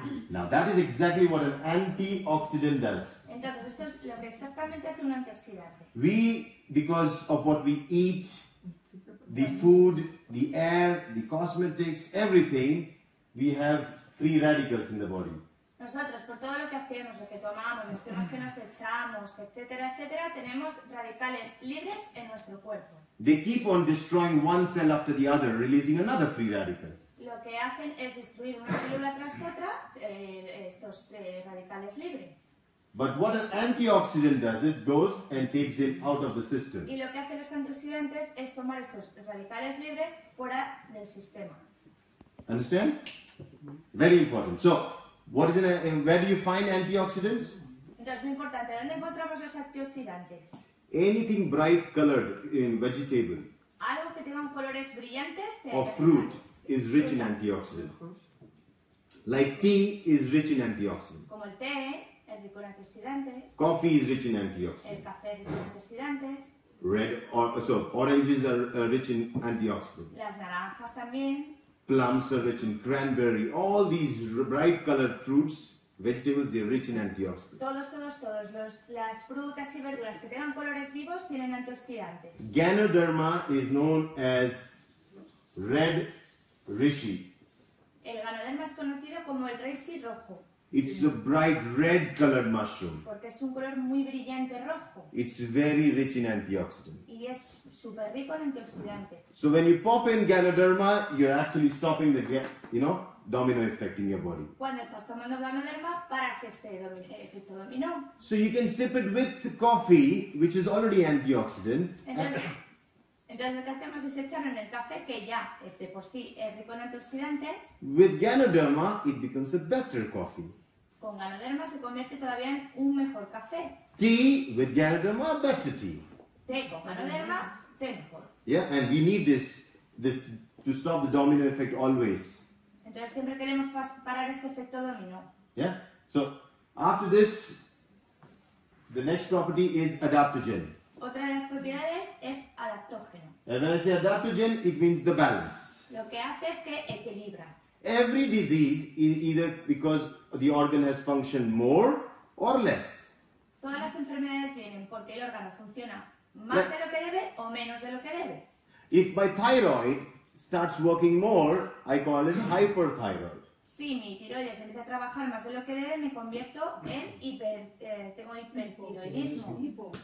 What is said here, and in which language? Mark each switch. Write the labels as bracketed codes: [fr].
[en] Now that is exactly what an antioxidant does. [es] Entonces, esto es lo que exactamente hace un antioxidante. [en] We, because of what we eat, the food, the air, the cosmetics, everything, we have free radicals in the body. [es] Nosotros, por todo lo que hacemos, lo que tomamos, las cremas que nos echamos, etcétera, etcétera, tenemos radicales libres en nuestro cuerpo. [en] They keep on destroying one cell after the other, releasing another free radical. [es] Lo que hacen es destruir una célula tras otra estos radicales libres. [en] But what an antioxidant does, it goes and takes it out of the system. [es] Y lo que hacen los antioxidantes es tomar estos radicales libres fuera del sistema. [en] Understand? Very important. So, what is it, where do you find antioxidants? [es] Entonces, muy importante, ¿dónde encontramos los antioxidantes? [en] Anything bright colored in vegetable. [es] Algo que tenga colores brillantes. [en] Or fruit is rich in antioxidants. Like tea is rich in antioxidants. [es] Como el té es rico en antioxidantes. [en] Coffee is rich in antioxidants. [es] El café es rico en antioxidantes. [en] Oranges are rich in antioxidants. [es] Las naranjas también. [en] Plums are rich in cranberry. All these bright colored fruits, vegetables, they're rich in antioxidants. [es] Todos. Las frutas y verduras que tengan colores vivos tienen antioxidantes. [en] Ganoderma is known as Red Rishi. [es] El Ganoderma es conocido como el Rishi rojo. [en] It's a bright red colored mushroom. [es] Porque es un color muy brillante rojo. [en] It's very rich in antioxidants. [es] Y es super rico en antioxidantes. [en] So when you pop in Ganoderma, you're actually stopping the, you know, domino effect in your body. [es] Cuando estás tomando Ganoderma, paras este efecto dominó. [en] So you can sip it with the coffee, which is already antioxidant. [es] Entonces lo que hacemos es echarlo en el café, que ya de por sí es rico en antioxidantes. [en] With Ganoderma, it becomes a better coffee. [es] Con Ganoderma se convierte todavía en un mejor café. [en] Tea with Ganoderma, better tea. [es] Té con Ganoderma, té mejor. [en] Yeah, and we need this to stop the domino effect always. [es] Entonces siempre queremos parar este efecto dominó. [en] Yeah, so after this, the next property is adaptogen. [es] Otra de las propiedades es adaptógeno. [en] And when I say adaptogen, it means the balance. [es] Lo que hace es que equilibra. [en] Every disease is either because the organ has functioned more or less. [es] Todas las enfermedades vienen porque el órgano funciona más de lo que debe o menos de lo que debe. [en] If my thyroid starts working more, I call it hyperthyroid. [es] si mi tiroides empieza a trabajar más de lo que debe, me convierto en tengo hipertiroidismo.